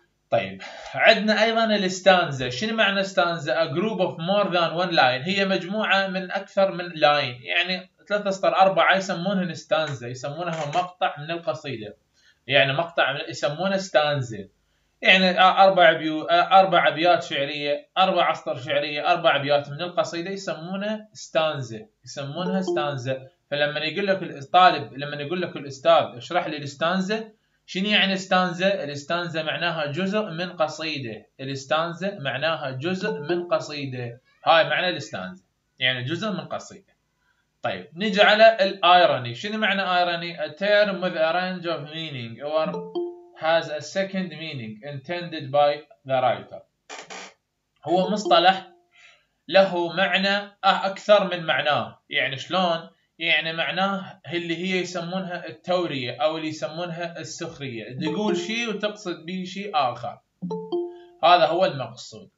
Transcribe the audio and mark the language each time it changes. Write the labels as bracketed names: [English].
[Arabic] طيب عندنا ايضا الستانزا، شنو معنى ستانزا؟ [English] A group of more than one line، [Arabic] هي مجموعه من اكثر من لاين، يعني ثلاثة اسطر اربعه يسمونها ستانزا، يسمونها مقطع من القصيده، يعني مقطع من يسمونها ستانزا، يعني اربع ابيات شعريه، اربع اسطر شعريه، اربع ابيات من القصيده يسمونها ستانزا، يسمونها ستانزا. فلما يقول لك الطالب، لما يقول لك الاستاذ اشرح لي الستانزا، شنو يعني ستانزا؟ الستانزا معناها جزء من قصيدة، الستانزا معناها جزء من قصيدة، هاي معنى الستانزا، يعني جزء من قصيدة. طيب نيجي على الايروني، شنو معنى ايروني؟ [English] A term with a range of meaning or has a second meaning intended by the writer. [Arabic] هو مصطلح له معنى أكثر من معناه، يعني شلون؟ يعني معناه اللي هي يسمونها التورية أو اللي يسمونها السخرية، تقول شيء وتقصد به شيء آخر، هذا هو المقصود.